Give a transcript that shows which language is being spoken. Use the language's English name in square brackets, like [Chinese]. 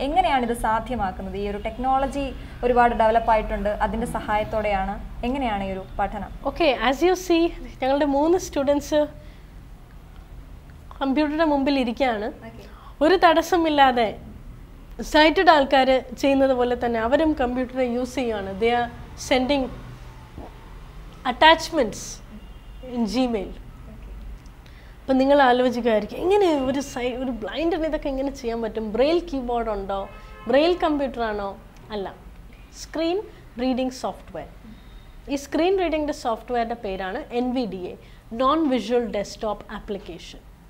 [Malayalam] എങ്ങനെയാണ് ഇത് സാധ്യമാക്കുന്നത്? ഈ ഒരു ടെക്നോളജി ഒരുപാട് ഡെവലപ്പ് ആയിട്ടുണ്ട്, അതിൻ്റെ സഹായത്തോടെയാണ്. എങ്ങനെയാണ് ഈ ഒരു പഠനം? ഓക്കെ, [English] as you see, [Malayalam] ഞങ്ങളുടെ 3 സ്റ്റുഡൻസ് കമ്പ്യൂട്ടറിന്റെ മുമ്പിൽ ഇരിക്കുകയാണ്. ഒരു തടസ്സമില്ലാതെ സൈറ്റഡ് ആൾക്കാർ ചെയ്യുന്നത് പോലെ തന്നെ അവരും കമ്പ്യൂട്ടറെ യൂസ് ചെയ്യുകയാണ്. [English] They are sending attachments in Gmail. [Malayalam] അപ്പം നിങ്ങൾ ആലോചിക്കുമായിരിക്കും എങ്ങനെ ഒരു സൈ ഒരു ബ്ലൈൻഡിന് ഇതൊക്കെ എങ്ങനെ ചെയ്യാൻ പറ്റും? ബ്രെയിൽ കീബോർഡ് ഉണ്ടോ? ബ്രെയിൽ കമ്പ്യൂട്ടറാണോ? അല്ല, സ്ക്രീൻ റീഡിംഗ് സോഫ്റ്റ്വെയർ. ഈ സ്ക്രീൻ റീഡിംഗിൻ്റെ സോഫ്റ്റ്വെയറിൻ്റെ പേരാണ് NVDA, non visual desktop application.